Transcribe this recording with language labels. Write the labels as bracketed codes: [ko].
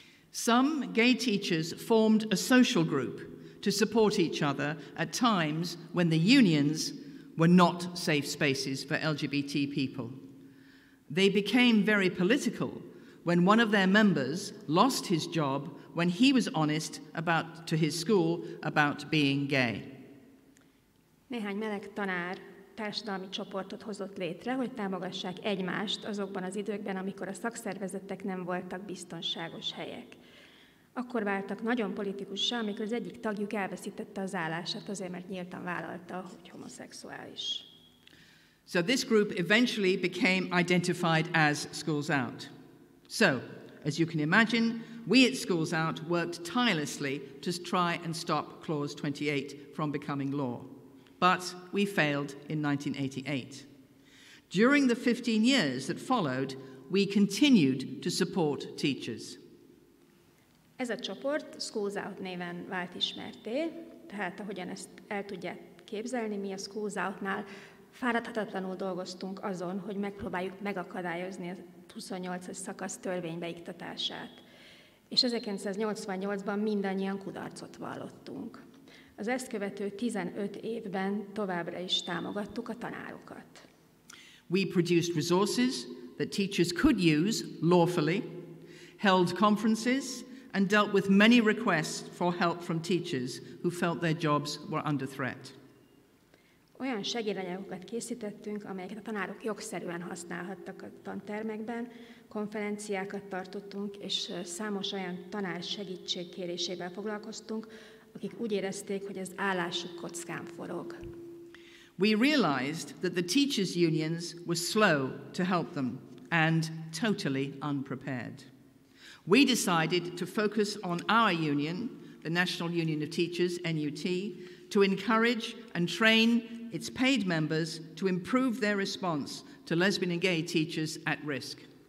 [en] Some gay teachers formed a social group to support each other at times when the unions were not safe spaces for LGBT people. They became very political when one of their members lost his job when he was honest about to his school about being gay. [hu] Néhány meleg tanár társadalmi csoportot hozott létre, hogy támogassák egymást azokban az időkben, amikor a szakszervezetek nem voltak biztonságos helyek. Akkor váltak nagyon politikussá, amikor az egyik tagjuk elveszítette az állását azért, mert nyíltan vállalta, hogy homoszexuális. [en] So this group eventually became identified as Schools Out. So, as you can imagine, we at Schools Out worked tirelessly to try and stop Clause 28 from becoming law. But we failed in 1988. During the 15 years that followed, we continued to support teachers. [hu] Ez a csoport Schools Out néven vált ismerté, tehát ahogyan ezt el tudják képzelni, mi a Schools Out-nál fáradhatatlanul dolgoztunk azon, hogy megpróbáljuk megakadályozni a 28-as szakasz törvénybe iktatását. És 1988-ban mindannyian kudarcot vallottunk. Az ezt követő 15 évben továbbra is támogattuk a tanárokat. [en] We produced resources that teachers could use lawfully, held conferences, and dealt with many requests for help from teachers who felt their jobs were under threat. [hu] Olyan segédanyagokat készítettünk, amelyeket a tanárok jogszerűen használhattak a tantermekben, konferenciákat tartottunk, és számos olyan tanár segítségkérésével foglalkoztunk, akik úgy érezték, hogy az állásuk kockán forog. [en] We realized that the teachers' unions were slow to help them and totally unprepared. We decided to focus on our union, the National Union of Teachers, NUT, to encourage and train its paid members to improve their response to lesbian and gay teachers at risk.